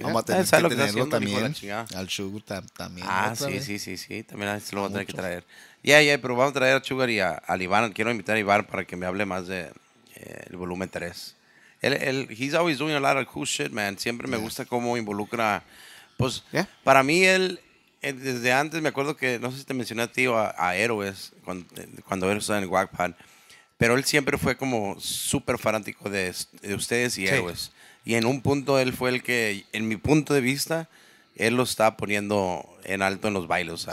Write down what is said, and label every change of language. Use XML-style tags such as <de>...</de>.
<es>Vamos a tener que traerlo haciendo, también. Al Sugar también. Ah, sí. También se lo voy a tener que traer. Yeah, pero vamos a traer a Sugar y a Iván. Quiero invitar a Iván para que me hable más de el volumen 3.</es> <en>Él, he's always doing a lot of cool shit, man.</en> <es>Siempre me gusta cómo involucra. Pues, para mí, él. Desde antes, me acuerdo que, no sé si te mencioné a ti o a Héroes, cuando Héroes estaba en Wagpan, pero él siempre fue como súper fanático de ustedes y Héroes. Y en un punto, él fue el que, en mi punto de vista, él lo está poniendo en alto en los bailes.</es>